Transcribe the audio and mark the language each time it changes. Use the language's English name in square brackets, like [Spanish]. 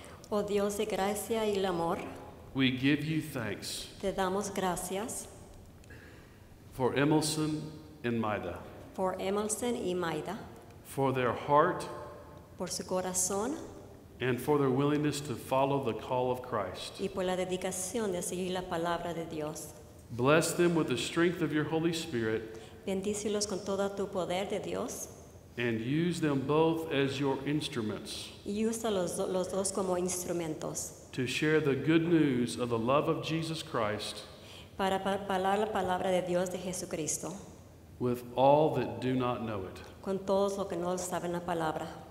[Spanish] O Dios de gracia y el amor, [English] we give you thanks. [Spanish] Te damos gracias. [English] For Emelson and Maida. For [Spanish] Emelson y Maida. [English] For their heart. [Spanish] Por su corazón. [English] And for their willingness to follow the call of Christ. [Spanish] Y por la dedicación de seguir la palabra de Dios. [English] Bless them with the strength of your Holy Spirit. [Spanish] Bendícelos con todo tu poder de Dios. [English] And use them both as your instruments. [Spanish] Y usa los dos como instrumentos. [English] To share the good news of the love of Jesus Christ. [Spanish] Para hablar la palabra de Dios de Jesucristo. [English] With all that do not know it. [Spanish] Con todos los que no saben la palabra.